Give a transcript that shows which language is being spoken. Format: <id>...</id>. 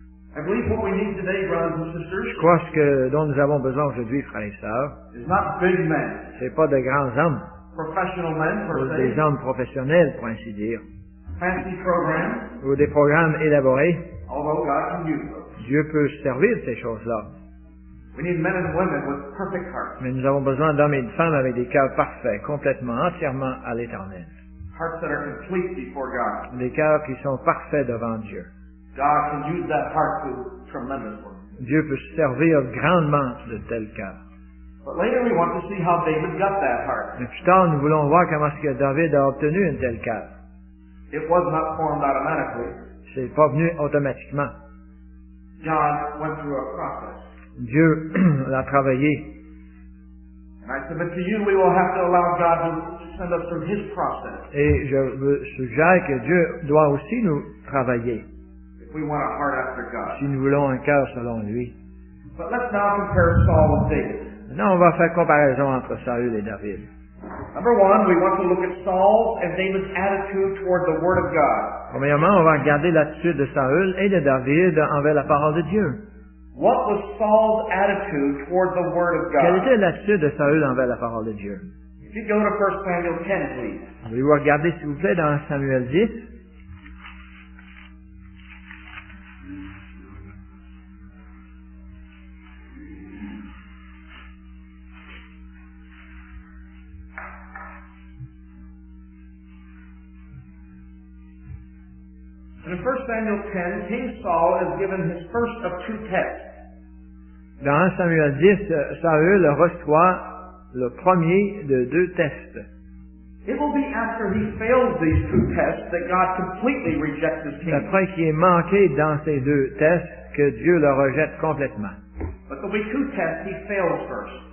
<en>I believe what we need today, brothers and sisters,</en> <fr>je crois ce que dont nous avons besoin aujourd'hui, frères et sœurs,</fr> <en>is not big men.</en> <fr>C'est pas de grands hommes.</fr> <en>Professional men,</en> <fr>des hommes professionnels, pour ainsi dire.</fr> <en>fancy program,</en> <fr>ou des programmes élaborés,</fr> <en>although God can use them.</en> <fr>Dieu peut servir ces choses-là.</fr> <en>We need men and women with perfect hearts.</en> <fr>Mais nous avons besoin d'hommes et de femmes avec des cœurs parfaits, complètement, entièrement à l'Éternel.</fr> <en>Hearts that are complete before God.</en> <fr>Des cœurs qui sont parfaits devant Dieu.</fr> <en>God can use that heart to tremendous work.</en> <fr>Dieu peut servir grandement de tels cœurs.</fr> <en>But later we want to see how David got that heart.</en> <fr>Mais plus tard, nous voulons voir comment est-ce que David a obtenu un tel cœur.</fr> <en>It was not formed automatically.</en> <fr>C'est pas venu automatiquement.</fr> <en>God went through a process.</en> <fr>Dieu l'a travaillé.</fr> <en>And I submit to you, we will have to allow God to send us through His process.</en> <fr>Et je vous suggère que Dieu doit aussi nous travailler.</fr> <en>If we want a heart after God.</en> <fr>Si nous voulons un cœur selon lui.</fr> <en>But let's now compare Saul with David.</en> <fr>Maintenant, on va faire comparaison entre Saül et David.</fr> <en>Number one, we want to look at Saul and David's attitude toward the Word of God.</en> <fr>Premièrement, on va regarder l'attitude de Saül et de David envers la parole de Dieu.</fr> <en>What was Saul's attitude toward the Word of God?</en> <fr>Quelle était l'attitude de Saül envers la parole de Dieu?</fr> <en>If you go to 1 Samuel 10, please.</en> <fr>Vous pouvez regarder, s'il vous plaît, dans Samuel 10.</fr> <en>In 1 Samuel 10, King Saul is given his first of two tests.</en> <fr>Dans 1 Samuel 10, Saül reçoit le premier de deux tests.</fr> <en>It will be after he fails these two tests that God completely rejects his kingdom.</en> <fr>Après qu'il ait manqué dans ces deux tests, que Dieu le rejette complètement.</fr> <en>But there will be two tests he fails first.</en>